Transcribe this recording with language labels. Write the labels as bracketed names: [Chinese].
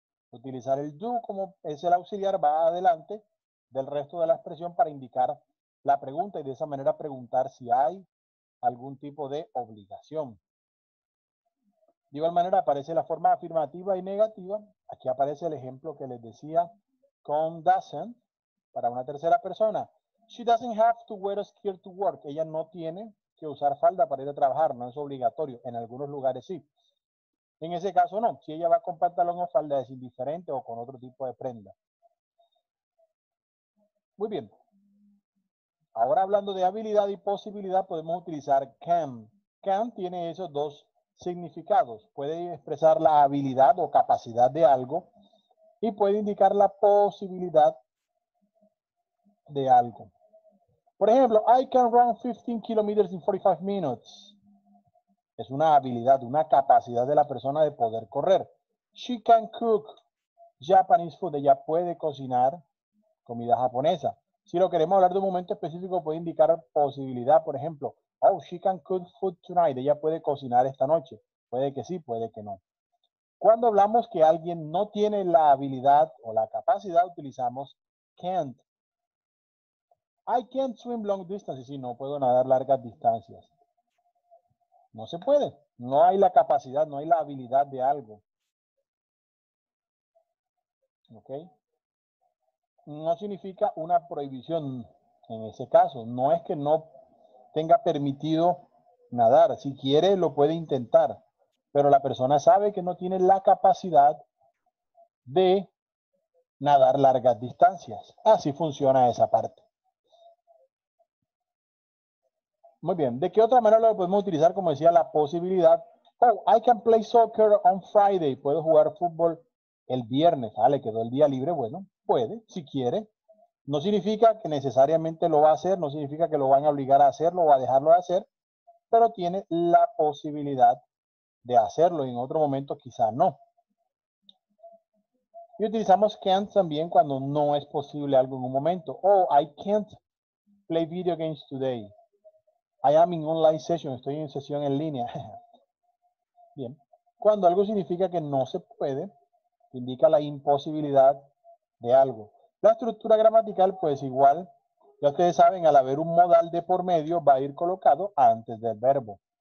[Spanish] Utilizar el do como es el auxiliar, va adelante del resto de la expresión para indicar la pregunta y de esa manera preguntar si hay algún tipo de obligación. De igual manera aparece la forma afirmativa y negativa. Aquí aparece el ejemplo que les decía con doesn't para una tercera persona. [English] She doesn't have to wear a skirt to work. [Spanish] Ella no tiene que usar falda para ir a trabajar, no es obligatorio. En algunos lugares sí. En ese caso no, si ella va con pantalón o falda es indiferente o con otro tipo de prenda. Muy bien. Ahora hablando de habilidad y posibilidad, podemos utilizar can. Can tiene esos dos significados. Puede expresar la habilidad o capacidad de algo y puede indicar la posibilidad de algo. [English] Por ejemplo, I can run 15 kilometers in 45 minutes. [Spanish] Es una habilidad, una capacidad de la persona de poder correr. [English] She can cook Japanese food. [Spanish] Ella puede cocinar comida japonesa. Si lo queremos hablar de un momento específico, puede indicar posibilidad. Por ejemplo, [English] oh, she can cook food tonight. [Spanish] Ella puede cocinar esta noche. Puede que sí, puede que no. Cuando hablamos que alguien no tiene la habilidad o la capacidad, utilizamos can't. [English] I can't swim long distances. [Spanish] Sí, no puedo nadar largas distancias. No se puede. No hay la capacidad, no hay la habilidad de algo. ¿Ok? No significa una prohibición en ese caso. No es que no tenga permitido nadar. Si quiere, lo puede intentar. Pero la persona sabe que no tiene la capacidad de nadar largas distancias. Así funciona esa parte. Muy bien. ¿De qué otra manera lo podemos utilizar? Como decía, la posibilidad. [English] Oh, I can play soccer on Friday. [Spanish] Puedo jugar fútbol el viernes. Ah, le quedó el día libre. Bueno, puede, si quiere. No significa que necesariamente lo va a hacer. No significa que lo van a obligar a hacerlo o a dejarlo de hacer. Pero tiene la posibilidad de hacerlo. Y en otro momento quizá no. Y utilizamos can't también cuando no es posible algo en un momento. [English] Oh, I can't play video games today. I am in online session. [Spanish] Estoy en sesión en línea. Bien. Cuando algo significa que no se puede, indica la imposibilidad de algo. La estructura gramatical, pues igual, ya ustedes saben, al haber un modal de por medio, va a ir colocado antes del verbo.